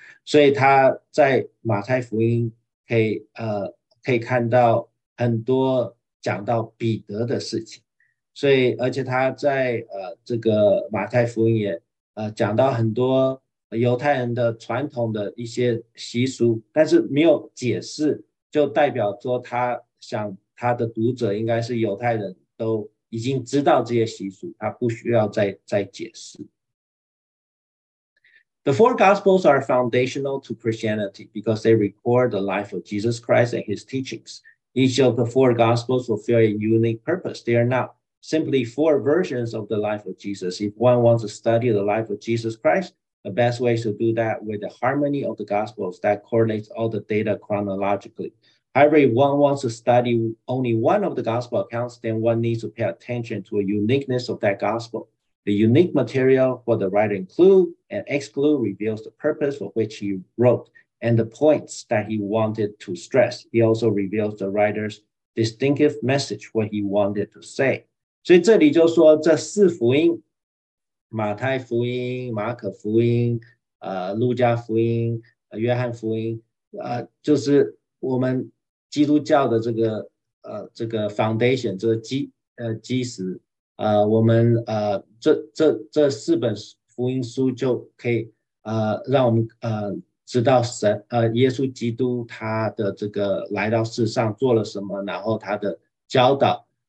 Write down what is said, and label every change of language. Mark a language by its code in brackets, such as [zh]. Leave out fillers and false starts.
[zh] 所以他在马太福音可以看到很多讲到彼得的事情，所以而且他在这个马太福音也讲到很多犹太人的传统的一些习俗，但是没有解释，就代表说他想他的读者应该是犹太人都已经知道这些习俗，他不需要再解释。 [en] The four Gospels are foundational to Christianity because they record the life of Jesus Christ and his teachings. Each of the four Gospels fulfill a unique purpose. They are not simply four versions of the life of Jesus. If one wants to study the life of Jesus Christ, the best way is to do that with the harmony of the Gospels that correlates all the data chronologically. However, if one wants to study only one of the Gospel accounts, then one needs to pay attention to the uniqueness of that Gospel. The unique material for the writer include and exclude reveals the purpose for which he wrote and the points that he wanted to stress. He also reveals the writer's distinctive message, what he wanted to say. [zh] 所以这里就说这四福音，马太福音、马可福音、路加福音、约翰福音，就是我们基督教的这个 foundation， 这个基石，我们这四本福音书就可以让我们知道神耶稣基督他的这个来到世上做了什么，然后他的教导。